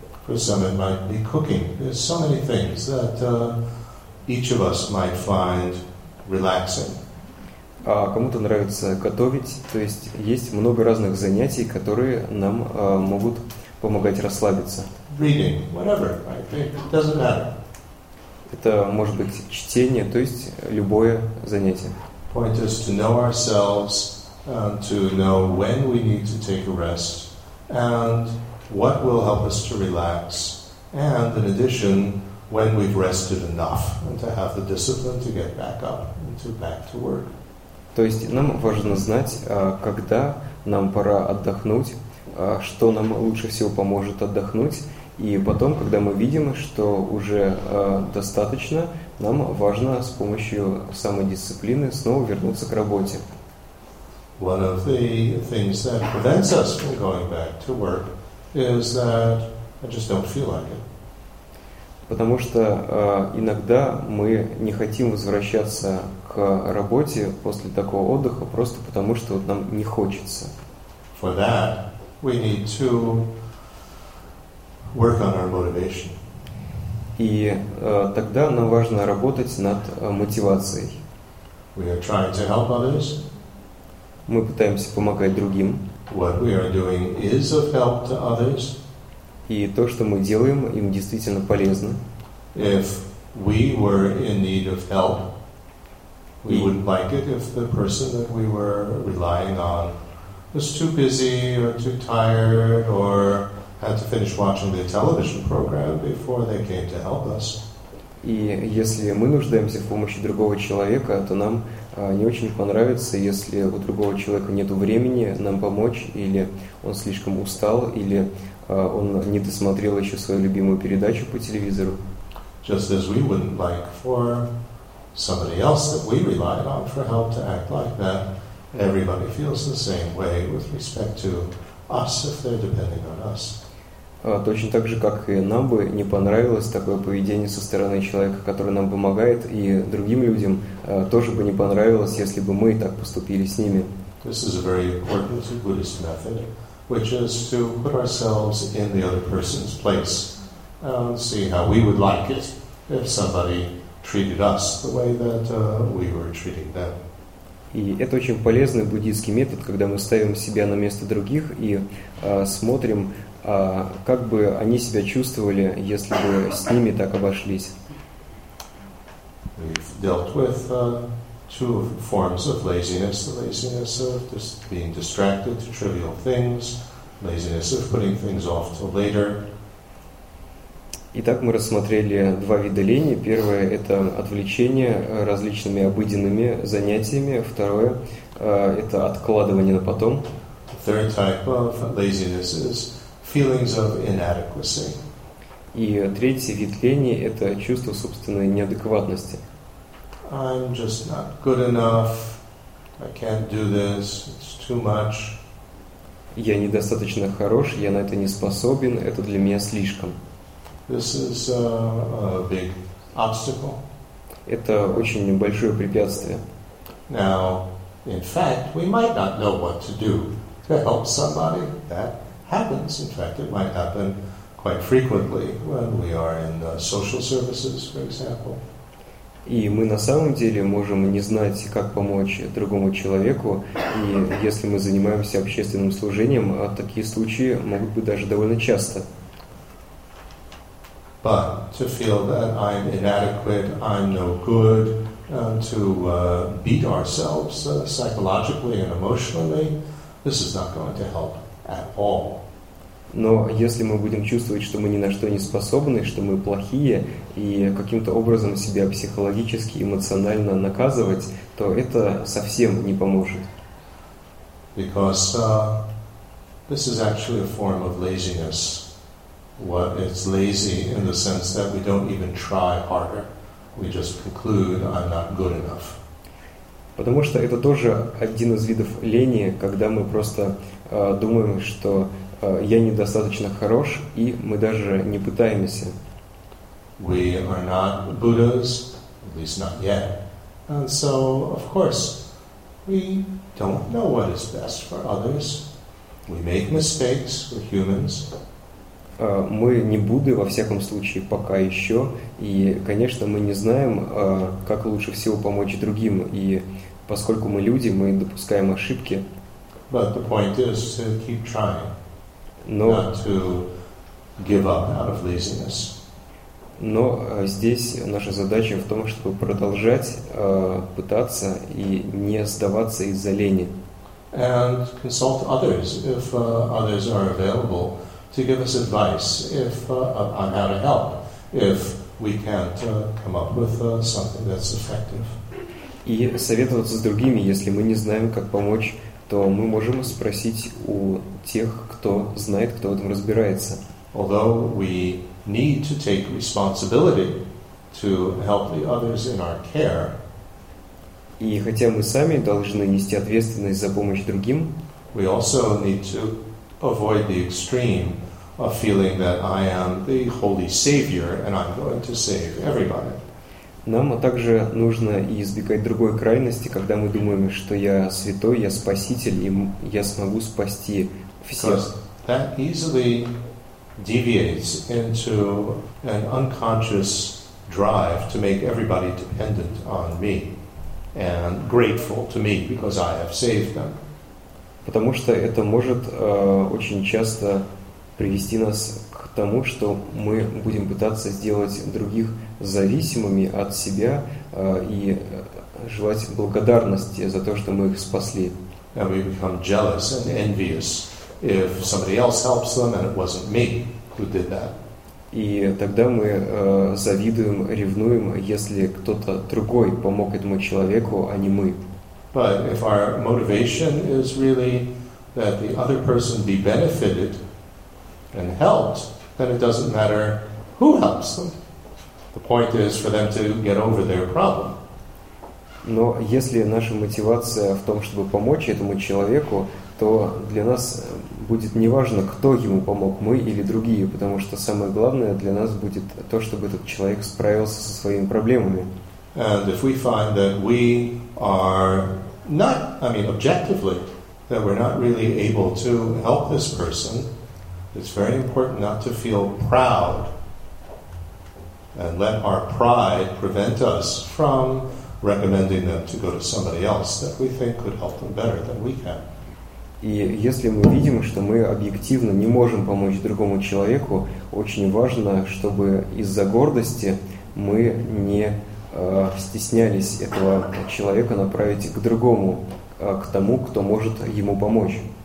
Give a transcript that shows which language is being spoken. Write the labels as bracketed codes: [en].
[en] For some it might be cooking. There's so many things that each of us might find relaxing. [ru] Кому-то нравится готовить, то есть есть много разных занятий, которые нам могут помогать расслабиться. [en] Reading, whatever, right? It doesn't matter. [ru] Это может быть чтение, то есть любое занятие. [en] Point is to know ourselves and to know when we need to take a rest and what will help us to relax and, in addition, when we've rested enough and to have the discipline to get back up and to back to work. [ru] То есть нам важно знать, когда нам пора отдохнуть, что нам лучше всего поможет отдохнуть. И потом, когда мы видим, что уже достаточно, нам важно с помощью самодисциплины снова вернуться к работе. [en] One of the things that prevents us from going back to work is that I just don't feel like it. [ru] Потому что иногда мы не хотим возвращаться к работе после такого отдыха просто потому, что вот нам не хочется. [en] For that, we need to work on our motivation. [ru] И тогда нам важно работать над мотивацией. [en] We are trying to help others. [ru] Мы пытаемся помогать другим. [en] What we are doing is of help to others. [ru] И то, что мы делаем, им действительно полезно. [en] If we were in need of help, we would like it if the person that we were relying on was too busy or too tired or had to finish watching the television program before they came to help us. [ru] И если мы нуждаемся в помощи другого человека, то нам не очень понравится, если у другого человека нет времени нам помочь, или он слишком устал, или он не досмотрел еще свою любимую передачу по телевизору. [en] Just as we wouldn't like for somebody else that we rely on for help to act like that, everybody feels the same way with respect to us if they're depending on us. [ru] Точно так же, как и нам бы не понравилось такое поведение со стороны человека, который нам помогает, и другим людям тоже бы не понравилось, если бы мы так поступили с ними. [en] This is a very important Buddhist method, which is to put ourselves in the other person's place and see how we would like it if somebody treated us the way that we were treating them. [ru] И это очень полезный буддийский метод, когда мы ставим себя на место других и смотрим, как бы они себя чувствовали, если бы с ними так обошлись. [en] We've dealt with two forms of laziness. The laziness of just being distracted to trivial things. Laziness of putting things off till later. [ru] Итак, мы рассмотрели два вида лени. Первое – это отвлечение различными обыденными занятиями. Второе – это откладывание на потом. [en] Third type of laziness is feelings of inadequacy. [ru] И третий вид лени – это чувство собственной неадекватности. [en] I'm just not good enough. I can't do this. It's too much. [ru] Я недостаточно хорош, я на это не способен, это для меня слишком. [en] This is a big obstacle. [ru] Это очень большое препятствие. [en] Now, in fact, we might not know what to do to help somebody. That happens. In fact, it might happen quite frequently when we are in social services, for example. [ru] И мы на самом деле можем не знать, как помочь другому человеку. И если мы занимаемся общественным служением, такие случаи могут быть даже довольно часто. [en] But to feel that I'm inadequate, I'm no good, to beat ourselves psychologically and emotionally, this is not going to help at all. [ru] Но если мы будем чувствовать, что мы ни на что не способны, что мы плохие, и каким-то образом себя психологически, эмоционально наказывать, то это совсем не поможет. [en] Because this is actually a form of laziness. What it's lazy in the sense that we don't even try harder. We just conclude, I'm not good enough. [ru] Потому что это тоже один из видов лени, когда мы просто думаем, что я недостаточно хорош, и мы даже не пытаемся. [en] We are not Buddhas, at least not yet. And so, of course, we don't know what is best for others. We make mistakes, we're humans. [ru] Мы не Будды, во всяком случае, пока еще. И, конечно, мы не знаем, как лучше всего помочь другим. И поскольку мы люди, мы допускаем ошибки. [en] But the point is to keep trying. Not to give up out of laziness. [ru] Но здесь наша задача в том, чтобы продолжать пытаться и не сдаваться из-за лени. [en] And consult others if others are available to give us advice if on how to help if we can't come up with something that's effective. [ru] И советоваться с другими, если мы не знаем, как помочь, то мы можем спросить у тех, кто знает, кто в этом разбирается. [en] Although we need to take responsibility to help the others in our care, [ru] и хотя мы сами должны нести ответственность за помощь другим, [en] we also need to avoid the extreme of feeling that I am the holy savior and I'm going to save everybody. [ru] Нам также нужно избегать другой крайности, когда мы думаем, что я святой, я спаситель, и я смогу спасти всех. [en] Because that easily deviates into an unconscious drive to make everybody dependent on me and grateful to me because I have saved them. [ru] Потому что это может очень часто привести нас к тому, что мы будем пытаться сделать других зависимыми от себя и желать благодарности за то, что мы их спасли. [en] And we become jealous and envious if somebody else helps them and it wasn't me who did that. [ru] И тогда мы завидуем, ревнуем, если кто-то другой помог этому человеку, а не мы. [en] But if our motivation is really that the other person be benefited and helped, then it doesn't matter who helps them. The point is for them to get over their problem. [ru] Но если наша мотивация в том, чтобы помочь этому человеку, то для нас будет неважно, кто ему помог, мы или другие, потому что самое главное для нас будет то, чтобы этот человек справился со своими проблемами. [en] And if we find that we are not, I mean, objectively, that we're not really able to help this person, it's very important not to feel proud. And let our pride prevent us from recommending them to go to somebody else that we think could help them better than we can. [ru] И если мы видим, что мы объективно не можем помочь другому человеку, очень важно, чтобы из-за гордости мы не стеснялись этого человека направить к другому, к тому, кто может ему помочь.